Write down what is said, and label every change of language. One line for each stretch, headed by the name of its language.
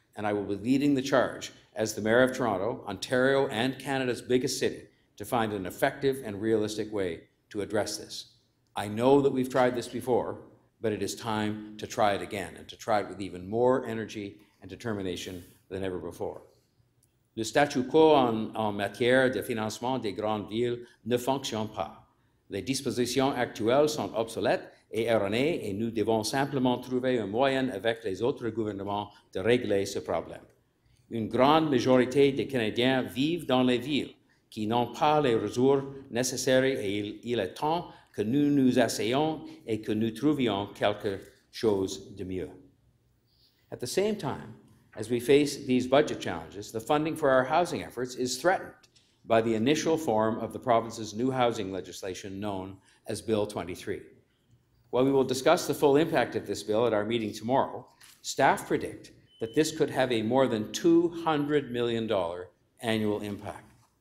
English: And I will be leading the charge as the Mayor of Toronto, Ontario and Canada's biggest city, to find an effective and realistic way to address this. I know that we've tried this before, but it is time to try it again and to try it with even more energy and determination than ever before.
French: Le statu quo en matière de financement des grandes villes ne fonctionne pas. Les dispositions actuelles sont obsolètes et erronées et nous devons simplement trouver un moyen avec les autres gouvernements de régler ce problème. Une grande majorité des Canadiens vivent dans les villes qui n'ont pas les ressources nécessaires et il est temps que nous nous essayons et que nous trouvions quelque chose de mieux.
English: At the same time, as we face these budget challenges, the funding for our housing efforts is threatened by the initial form of the province's new housing legislation known as Bill 23. While we will discuss the full impact of this bill at our meeting tomorrow, staff predict that this could have a more than $200 million annual impact.